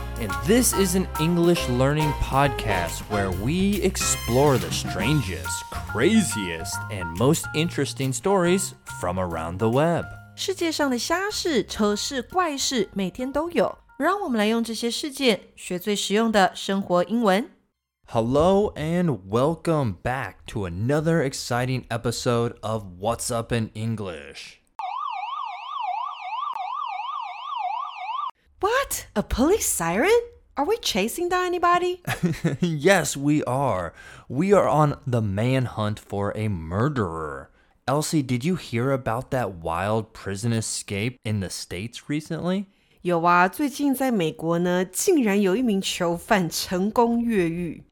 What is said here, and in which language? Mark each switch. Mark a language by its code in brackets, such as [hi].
[en] And this is an English learning podcast where we explore the strangest, craziest, and most interesting stories from around the web. [zh] 世界上的瞎事、丑事、怪事每天都有。让我们来用这些事件学最实用的生活英文。 [en] Hello and welcome back to another exciting episode of What's Up in English. What? A police siren? Are we chasing down anybody? Yes, we are. We are on the manhunt for a murderer. Elsie, did you hear about that wild prison escape in the States recently? [zh] 有啊，最近在美国呢，竟然有一名囚犯成功越狱。